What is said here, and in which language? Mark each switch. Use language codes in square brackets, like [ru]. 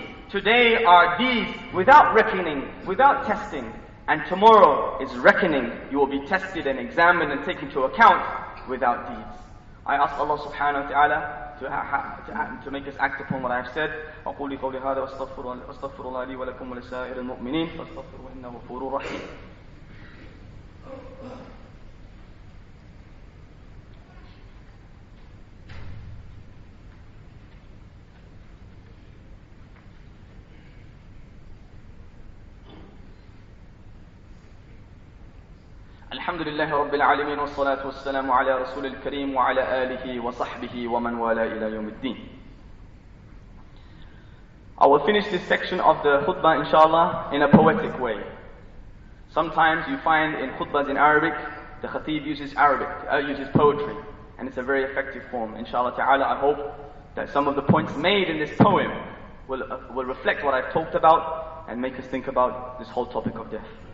[en] Today are deeds, without reckoning, without testing. And tomorrow is reckoning. You will be tested and examined and taken to account without deeds. I ask Allah subhanahu wa ta'ala to make us act upon what I have said. [ar] أقول قولي هذا واستغفر الله لي ولكم ولسائر المؤمنين فاستغفروه إنه غفور رحيم. الحمد لله رب العالمين والصلاة والسلام على رسول الكريم وعلى آله وصحبه ومن والاه إلى يوم الدين. [en] I will finish this section of the khutbah inshallah in a poetic way. Sometimes you find in khutbahs in Arabic, the khatib uses poetry, and it's a very effective form. Inshallah ta'ala, I hope that some of the points made in this poem will reflect what I've talked about and make us think about this whole topic of death.